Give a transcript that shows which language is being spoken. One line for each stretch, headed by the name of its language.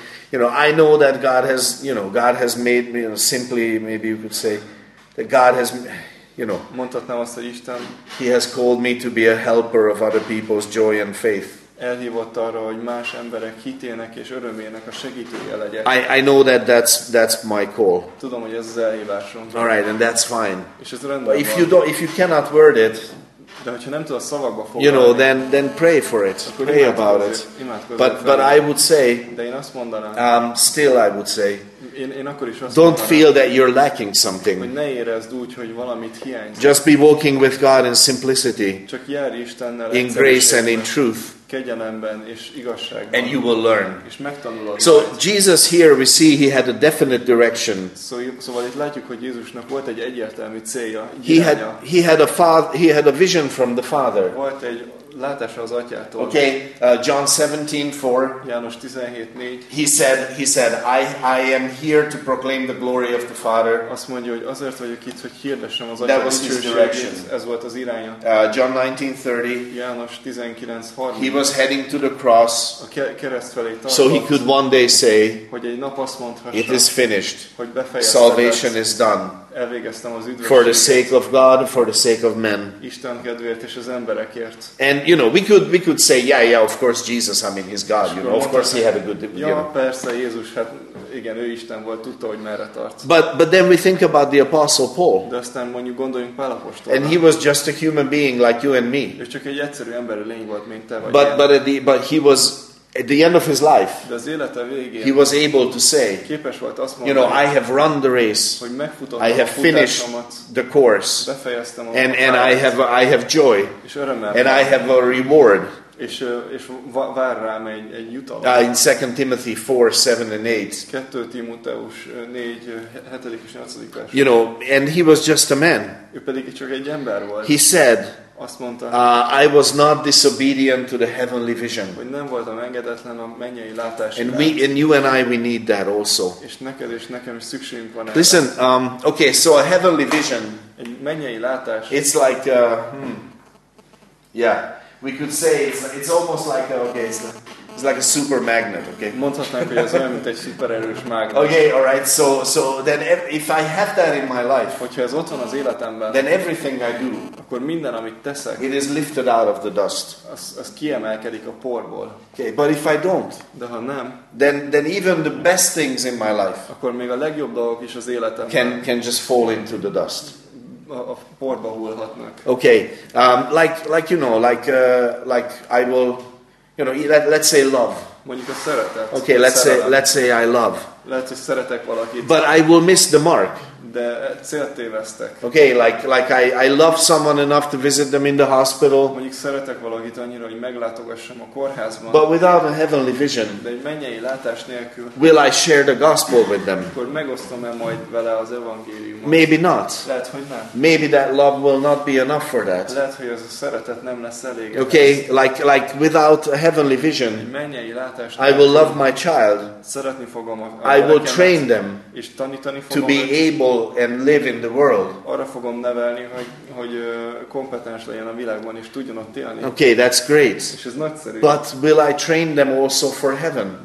English: You know, I know that God has, you know, God has made me, you know, simply, maybe you could say, that God has, you know,
Hungarian: mondhatnám azt, hogy Isten,
English: he has called me to be a helper of other people's joy and faith.
Hungarian: Elhívott arra, hogy más emberek hitének és örömének a segítője legyek.
English: I know that that's my call.
Hungarian: Tudom, hogy ez az elhívásom.
English: All right, and that's fine.
Hungarian: És ez rendben van.
English: If you cannot word it,
Hungarian: de hogyha nem tudod szavakba foglalni,
English: you know, then pray for it. Pray about it. But I would say,
Hungarian: de én azt mondanám,
English: still I would say,
Hungarian: én akkor is azt
English: don't
Hungarian: mondanám,
English: feel that you're lacking something.
Hungarian: Hogy ne érezd úgy, hogy valamit hiányzik.
English: Just be walking with God in simplicity.
Hungarian: Csak járj Istennel
English: in grace and in truth.
Hungarian: Kegyelemben és igazságban.
English: And you will learn.
Hungarian: És megtanulod.
English: So Jesus here we see he had a definite direction.
Hungarian: Szóval itt látjuk, hogy Jézusnak volt egy egyértelmű célja.
English: He had a vision from the Father.
Hungarian: Volt egy látása az Atyától.
English: Okay, John 17:4.
Hungarian: János 17:4.
English: He said, I am here to proclaim the glory of the Father.
Hungarian: Azt mondja, hogy azért vagyok itt, hogy hirdessem az Atyát.
English: That was his direction.
Hungarian: Ez volt az iránya.
English: John 19:30.
Hungarian: János 19:30.
English: He was heading to the cross.
Hungarian: A kereszt felé tartott.
English: So he could one day say,
Hungarian: hogy egy nap azt mondhassa,
English: it is finished.
Hungarian: Hogy befejeztem.
English: Salvation is done.
Hungarian: Elvégeztem az üdvösséget.
English: For the sake of God, for the sake of men.
Hungarian: Isten kedvéért és az emberekért.
English: And you know, we could say, yeah, of course Jesus, I mean he's God, you know, of course he had a good, you know.
Hungarian: Ja, persze Jézus, hát igen, ő Isten volt, tudta, hogy merre tart.
English: But then we think about the Apostle Paul.
Hungarian: De aztán mondjuk gondoljunk Pál apostolra.
English: And he was just a human being like you and me.
Hungarian: Ő csak egy egyszerű ember lény volt, mint te vagy
English: But he was at the end of his life,
Hungarian: de az élete végén,
English: he was able to say,
Hungarian: képes volt azt mondani,
English: you know, I have run the race,
Hungarian: hogy megfutottam,
English: I have finished the course,
Hungarian: befejeztem a
English: and fáját, I have joy,
Hungarian: és örömmel,
English: and I have a reward.
Hungarian: És vár rám egy jutalom.
English: In 2 Timothy 4, 7 and 8.
Hungarian: 2 Timóteus 4, 7. és 8. vers.
English: You know, and he was just a man.
Hungarian: Ő pedig csak egy ember volt.
English: He said,
Hungarian: azt mondta,
English: I was not disobedient to the heavenly vision.
Hungarian: Hogy nem voltam engedetlen a mennyei látás.
English: And we, and you and I, we need that also.
Hungarian: És neked és nekem is szükségünk van.
English: Listen, okay, so a heavenly vision.
Hungarian: Egy mennyei látás.
English: It's like, yeah. We could say it's almost like it's like a super magnet, okay?
Hungarian: Mondhatnánk, hogy ez olyan, mint egy szupererős mágnes.
English: Okay, all right. So then if I have that in my life,
Hungarian: hogyha ez ott van az életemben,
English: then everything I do,
Hungarian: akkor minden, amit teszek,
English: it is lifted out of the dust.
Hungarian: Az kiemelkedik a porból.
English: Okay, but if I don't,
Hungarian: de ha nem,
English: then even the best things in my life,
Hungarian: akkor még a legjobb dolgok is az életemben,
English: can just fall into the dust.
Hungarian: A porba hullhatnak.
English: Okay, like you know, like I will, you know, let's say love.
Hungarian: Mondjuk a szeretet.
English: Okay, let's say I love.
Hungarian: Lehet, hogy szeretek valakit.
English: But I will miss the mark.
Hungarian: De célt tévesztek.
English: Okay, like I love someone enough to visit them in the hospital.
Hungarian: Mondjuk szeretek valakit annyira, hogy meglátogassam a kórházban.
English: But without a heavenly vision.
Hungarian: De egy mennyei látás nélkül.
English: Will I share the gospel with them?
Hungarian: Akkor megosztom-e majd vele az evangéliumot?
English: Maybe not.
Hungarian: Lehet, hogy nem.
English: Maybe that love will not be enough for that.
Hungarian: Lehet, hogy az a szeretet nem lesz elég.
English: Okay, like without a heavenly vision.
Hungarian: Egy mennyei látás nélkül.
English: I will love my child.
Hungarian: Szeretni fogom a
English: I will train them
Hungarian: és tanítani fogom
English: to be able and live in the world.
Hungarian: Arra fogom nevelni, hogy kompetens legyen a világban és tudjon ott élni.
English: Okay, that's great.
Hungarian: És ez nagyszerű.
English: But will I train them also for heaven?